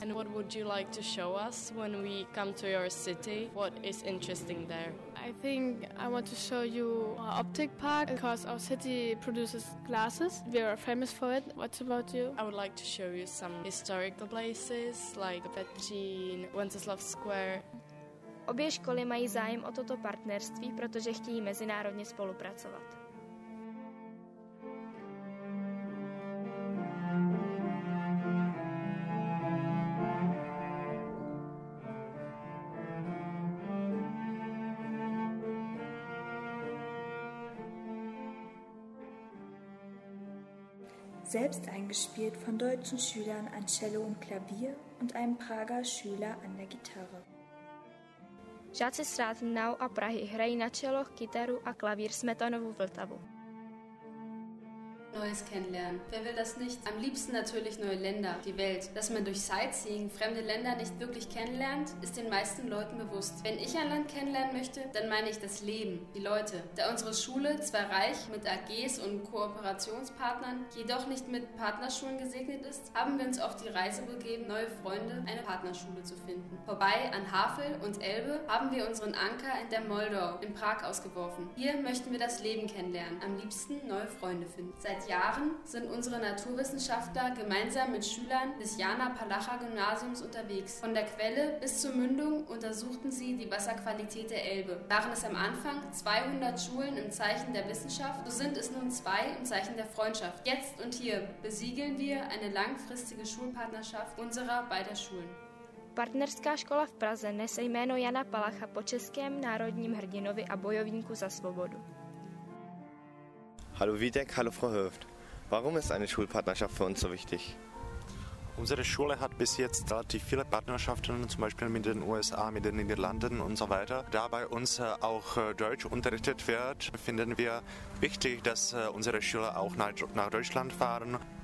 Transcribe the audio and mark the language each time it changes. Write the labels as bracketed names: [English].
[English] And what would you like to show us when we come to your city? What is interesting there? I think I want to show you our optic park because our city produces glasses. We are famous for it. What about you? I would like to show you some historical places like Petřín, Wenceslav Square. [Czech] Obě školy mají zájem o toto partnerství, protože chtějí mezinárodně spolupracovat. [German] Selbst eingespielt von deutschen Schülern an Cello und Klavier und einem Prager Schüler an der Gitarre. [Czech] Žáci z Radnow a Prahy hrají na cello, kytaru a klavír Smetanovu Vltavu. [German] Neues kennenlernen. Wer will das nicht? Am liebsten natürlich neue Länder, die Welt. Dass man durch Sightseeing fremde Länder nicht wirklich kennenlernt, ist den meisten Leuten bewusst. Wenn ich ein Land kennenlernen möchte, dann meine ich das Leben, die Leute. Da unsere Schule zwar reich mit AGs und Kooperationspartnern, jedoch nicht mit Partnerschulen gesegnet ist, haben wir uns auf die Reise begeben, neue Freunde, eine Partnerschule zu finden. Vorbei an Havel und Elbe haben wir unseren Anker in der Moldau in Prag ausgeworfen. Hier möchten wir das Leben kennenlernen, am liebsten neue Freunde finden. Seit Jahren sind unsere Naturwissenschaftler gemeinsam mit Schülern des Jana-Palacha-Gymnasiums unterwegs. Von der Quelle bis zur Mündung untersuchten sie die Wasserqualität der Elbe. Waren es am Anfang 200 Schulen im Zeichen der Wissenschaft, so sind es nun 2 im Zeichen der Freundschaft. Jetzt und hier besiegeln wir eine langfristige Schulpartnerschaft unserer beider Schulen. [Czech] Partnerská škola v Praze nese jméno Jana Palacha po českém národním hrdinovi a bojovníku za svobodu. [German] Hallo Vitek, hallo Frau Höft. Warum ist eine Schulpartnerschaft für uns so wichtig? Unsere Schule hat bis jetzt relativ viele Partnerschaften, zum Beispiel mit den USA, mit den Niederlanden und so weiter. Da bei uns auch Deutsch unterrichtet wird, finden wir wichtig, dass unsere Schüler auch nach Deutschland fahren.